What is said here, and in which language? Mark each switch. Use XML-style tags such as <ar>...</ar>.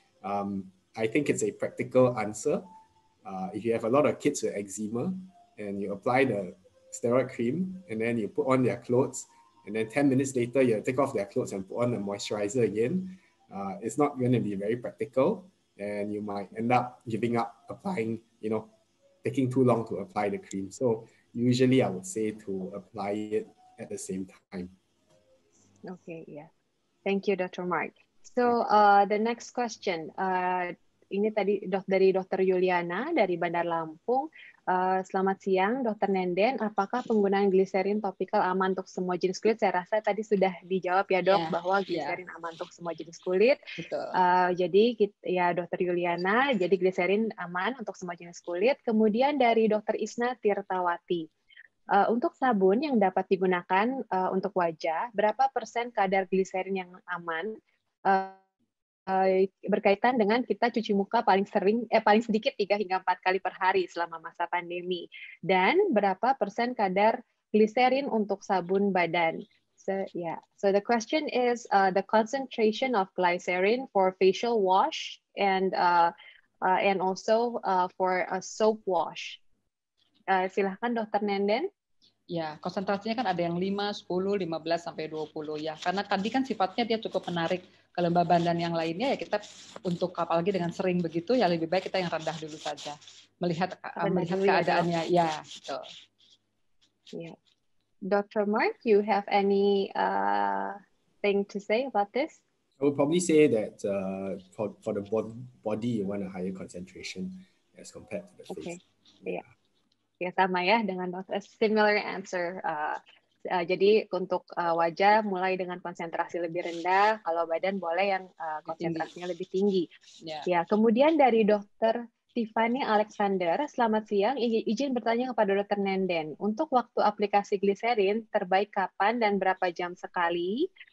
<en>I think it's a practical answer. If you have a lot of kids with eczema and you apply the steroid cream and then you put on their clothes, and then 10 minutes later, you take off their clothes and put on the moisturizer again, it's not going to be very practical. And you might end up giving up applying, you know, taking too long to apply the cream. So usually I would say to apply it at the same time. Okay, yeah. Thank you, Dr. Mark. So the next question,</en> <id>ini tadi dari</id> <en>Dr.</en> <id>Yuliana dari Bandar Lampung. Selamat siang, Dr. Nenden. Apakah penggunaan gliserin topikal aman untuk semua jenis kulit? Saya rasa tadi sudah dijawab ya, Dok, bahwa gliserin aman untuk semua jenis kulit. Betul. Jadi, ya, Dr. Yuliana, jadi gliserin aman untuk semua jenis kulit. Kemudian dari Dr. Isna Tirtawati. Untuk sabun yang dapat digunakan untuk wajah, berapa persen kadar gliserin yang aman? Berkaitan dengan kita cuci muka paling sedikit 3 hingga 4 kali per hari selama masa pandemi. Dan berapa persen kadar gliserin untuk sabun badan?</id> <en>So the question is the concentration of glycerin for facial wash and also for a soap wash.</en> <id>Silakan Dr. Nenden. Ya, konsentrasinya kan ada yang 5, 10, 15, sampai 20 ya. Karena tadi kan sifatnya dia cukup menarik ke lembab badan yang lainnya, ya kita untuk apalagi dengan sering begitu, ya lebih baik kita yang rendah dulu saja. Melihat keadaannya. Ya, gitu. Ya. Dr.</id> <en>Mark, you have any thing to say about this? I would probably say that for the body, you want a higher concentration as compared to the face. Okay, yeah.</en> <id>Ya, sama ya dengan</id> <en>a similar answer.</en> <id>Jadi untuk wajah mulai dengan konsentrasi lebih rendah, kalau badan boleh yang konsentrasinya lebih tinggi.</id> <en>Yeah.</en> <id>Ya, kemudian dari Dr. Tiffany Alexander, selamat siang, izin bertanya kepada Dr. Nenden, untuk waktu aplikasi gliserin terbaik kapan dan berapa jam sekali?</id>